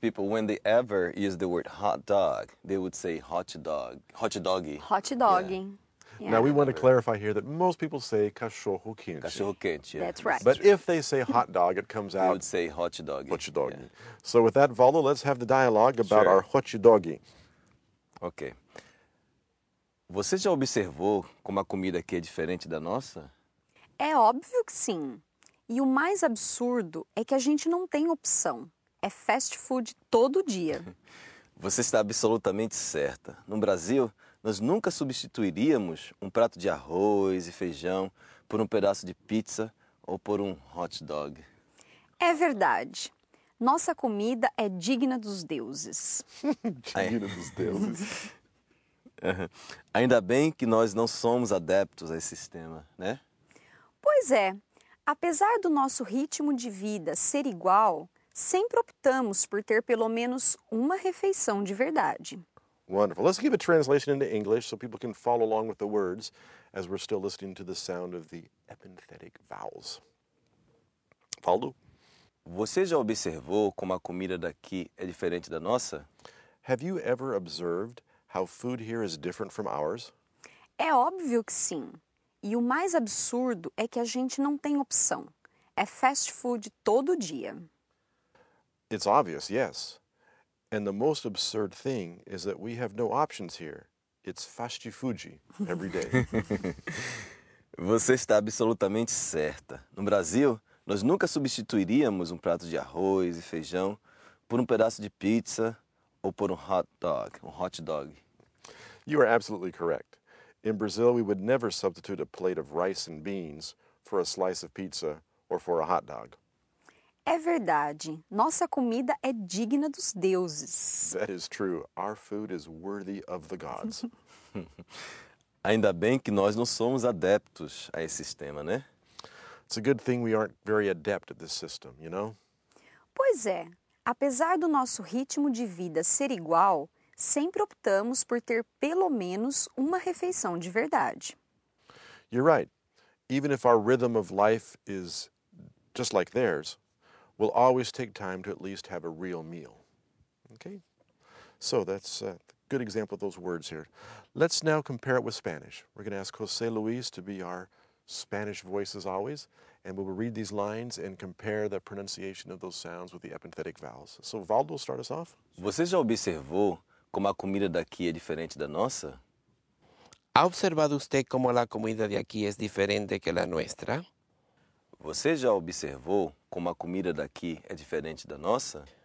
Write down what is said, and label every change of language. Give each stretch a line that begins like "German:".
English: People, when they ever use the word hot dog, they would say hot dog, hot doggy. Hot doggy. Yeah. Now, we want to clarify here that most people say
Portuguese: cachorro quente. Cachorro quente,
English: yeah. That's right. But if they say hot dog, it comes out. You would say hot doggy. Hot doggy. Yeah. So with that, Valdo, let's have the dialogue about our hot doggy. Okay.
Portuguese: Você já observou como a comida aqui é diferente da nossa? É óbvio que sim. E o mais absurdo é que a gente não tem opção. É fast food todo dia. Você está absolutamente certa. No Brasil, nós nunca substituiríamos um prato de arroz e feijão por um pedaço de pizza ou por um hot dog. É verdade. Nossa comida é digna dos deuses. Digna dos deuses. Ainda bem que nós não somos adeptos a esse sistema, né? Pois é. Apesar do nosso ritmo de vida ser igual, sempre optamos por ter pelo menos uma refeição de verdade.
English: Wonderful. Let's give a translation into English so people can follow along with the words as we're still listening to the sound of the epimphatic vowels. Valdo?
Portuguese: Você já observou como a comida daqui é diferente da nossa?
English: Have you ever observed how food here is different from ours?
Portuguese: É óbvio que sim. E o mais absurdo é que a gente não tem opção. É fast food todo dia.
English: It's obvious, yes. And the most absurd thing is that we have no options here. It's fast food every day.
Portuguese: Você está absolutamente certa. No Brasil, nós nunca substituiríamos um prato de arroz e feijão por um pedaço de pizza ou por um hot dog,
English: You are absolutely correct. In Brazil, we would never substitute a plate of rice and beans for a slice of pizza or for a hot dog.
Portuguese: É verdade. Nossa comida é digna dos deuses.
English: That is true. Our food is worthy of the gods.
Portuguese: Ainda bem que nós não somos adeptos a esse sistema, né?
English: It's a good thing we aren't very adept at this system, you know?
Portuguese: Pois é. Apesar do nosso ritmo de vida ser igual, sempre optamos por ter pelo menos uma refeição de verdade.
English: You're right. Even if our rhythm of life is just like theirs, we'll always take time to at least have a real meal. Okay? So that's a good example of those words here. Let's now compare it with Spanish. We're going to ask José Luis to be our Spanish voice as always, and we will read these lines and compare the pronunciation of those sounds with the epenthetic vowels. So, Valdo, start us off.
Portuguese: Você já observou como a comida daqui é diferente da nossa?
Spanish: Ha observado usted como la comida de aquí es diferente que la nuestra?
Portuguese: Você já observou como a comida daqui é diferente da nossa?